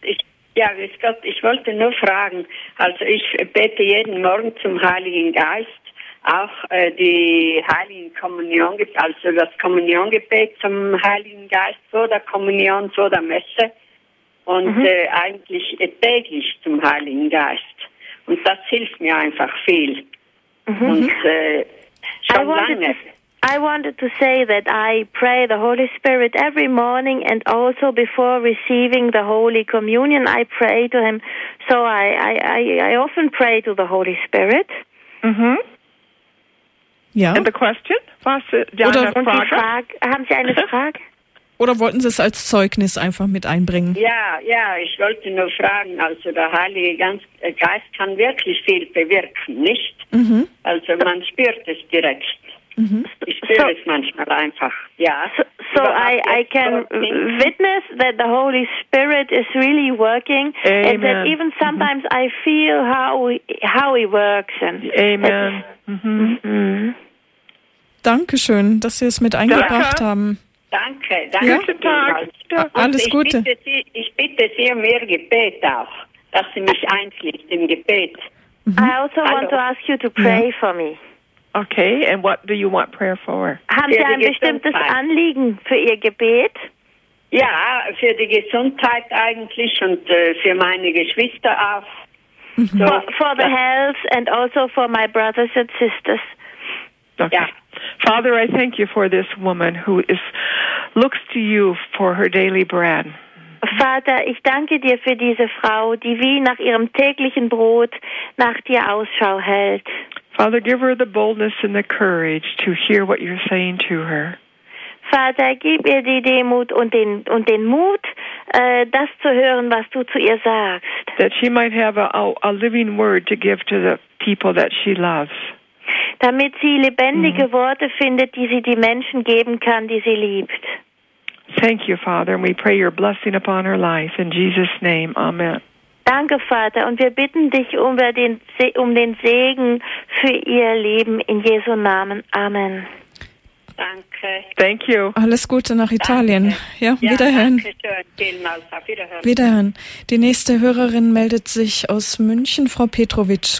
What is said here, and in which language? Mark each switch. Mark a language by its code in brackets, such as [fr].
[de] Ich wollte nur fragen, also ich bete jeden Morgen zum Heiligen Geist. Auch die Heiligen Kommunion, also das Kommuniongebet zum Heiligen Geist vor der Kommunion, vor der Messe und eigentlich täglich zum Heiligen Geist. Und das hilft mir einfach viel. [en] I wanted to say that I pray the Holy Spirit every morning and also before receiving the Holy Communion, I pray to him. So I often pray to the Holy Spirit. Mhm. Ja. And the question? [de] Haben Sie eine Frage? Oder wollten Sie es als Zeugnis einfach mit einbringen? Ja, ich wollte nur fragen, also der Heilige Geist kann wirklich viel bewirken, nicht? Mhm. Also man spürt es direkt. Mhm. Ich spüre es manchmal einfach, ja. [en] So, So I can witness that the Holy Spirit is really working. Amen. And that even sometimes I feel how he works. And Amen. [de] Dankeschön, dass Sie es mit eingebracht haben. Danke. Guten Tag. Alles Gute. Ich bitte Sie um Ihr Gebet auch, dass Sie mich einschließt im Gebet. [en] I also want to ask you to pray for me. Okay, and what do you want prayer for? [de] Haben Sie ein bestimmtes Anliegen für Ihr Gebet? Ja, für die Gesundheit eigentlich und für meine Geschwister auch. [en] For the health and also for my brothers and sisters. Okay. Ja. Father, I thank you for this woman who looks to you for her daily bread. [de] Vater, ich danke dir für diese Frau, die wie nach ihrem täglichen Brot nach dir Ausschau hält. [en] Father, give her the boldness and the courage to hear what you're saying to her. [de] Vater, gib ihr die Demut und den Mut, das zu hören, was du zu ihr sagst. [en] That she might have a living word to give to the people that she loves. [de] Damit sie lebendige Worte findet, die sie die Menschen geben kann, die sie liebt. [en] Thank you, Father, and we pray your blessing upon her life. In Jesus' name, amen. [de] Danke, Vater, und wir bitten dich um den Segen für ihr Leben. In Jesu Namen, amen. Danke. [en] Thank you. [de] Alles Gute nach Italien. Danke. Ja, wiederhören. Danke schön. Vielmals. Auf Wiederhören. Wiederhören. Die nächste Hörerin meldet sich aus München, Frau Petrovic.